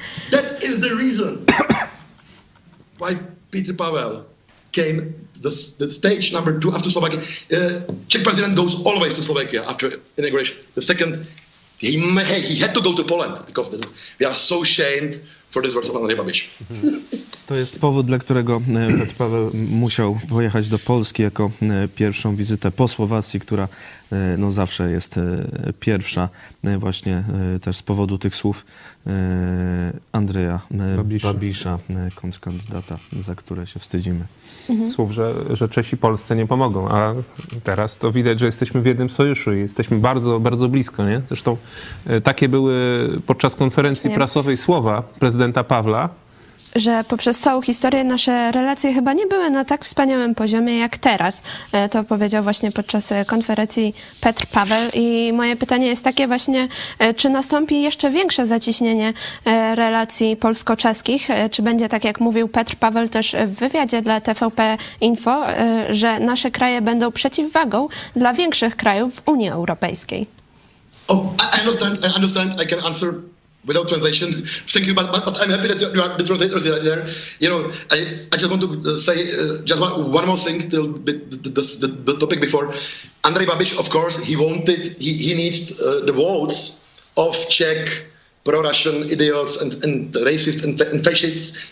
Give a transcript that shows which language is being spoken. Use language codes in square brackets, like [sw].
[en] That is the reason why Peter Pavel came the stage number two after Slovakia. Czech president goes always to Slovakia after inauguration. The second, he had to go to Poland because we are so ashamed for this words of Andrej Babiš. [pl] To jest powód, dla którego Petr Paweł musiał pojechać do Polski jako pierwszą wizytę po Słowacji, która no zawsze jest pierwsza, właśnie też z powodu tych słów Andreja Babisza, kontrkandydata, za które się wstydzimy. Mhm. Słów, że Czesi Polsce nie pomogą, a teraz to widać, że jesteśmy w jednym sojuszu i jesteśmy bardzo, bardzo blisko, nie? Zresztą takie były podczas konferencji prasowej słowa prezydenta Pawła, że poprzez całą historię nasze relacje chyba nie były na tak wspaniałym poziomie jak teraz. To powiedział właśnie podczas konferencji Petr Pavel. I moje pytanie jest takie właśnie, czy nastąpi jeszcze większe zaciśnienie relacji polsko-czeskich? Czy będzie tak, jak mówił Petr Pavel też w wywiadzie dla TVP Info, że nasze kraje będą przeciwwagą dla większych krajów w Unii Europejskiej? [en] I understand, I can answer. Without translation, thank you, but I'm happy that you are the translators there. You know, I just want to say just one more thing till the topic before. Andrej Babiš, of course, he needs the votes of Czech pro-Russian idiots and racists and fascists.